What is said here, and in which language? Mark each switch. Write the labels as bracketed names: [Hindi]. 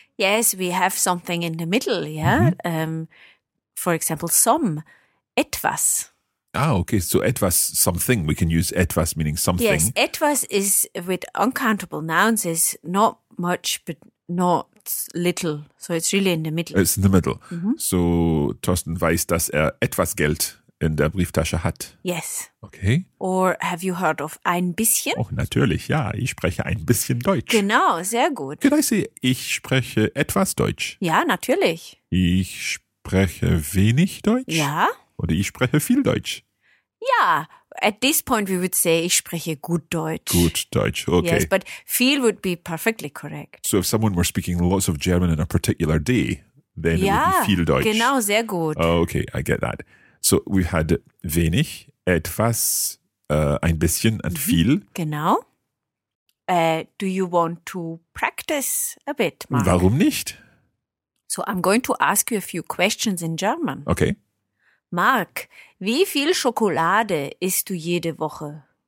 [English] Yes, we have something in the middle, yeah? Mm-hmm. For example, some. Etwas. Ah, okay. So etwas, something. We can use etwas meaning something. Yes, etwas is, with uncountable nouns, is not much but not little. So it's really in the middle. It's in the middle. Mm-hmm. [German] So Thorsten weiß, dass er etwas Geld in der Brieftasche hat. [English] Yes. Okay. Or have you heard of ein bisschen? [German] Oh, natürlich, ja. Ich spreche ein bisschen Deutsch. Genau, sehr gut. [English] Could I say, [German] ich spreche etwas Deutsch? Ja, natürlich. Ich spreche wenig Deutsch? Ja. Oder ich spreche viel Deutsch. [English] Ja, at this point we would say, [German] ich spreche gut Deutsch. Gut Deutsch, okay. [English] Yes, but viel would be perfectly correct. So if someone were speaking lots of German in a particular day, then [German] ja, [English] it would be viel Deutsch. [German] Genau, sehr gut. [English] Okay, I get that. So we had wenig, etwas, ein bisschen and viel. [German] Genau. [English] Do you want to practice a bit, Mark? [German] Warum nicht? [English] So I'm going to ask you a few questions in German. Okay. [German] Mark, wie viel Schokolade isst du jede Woche?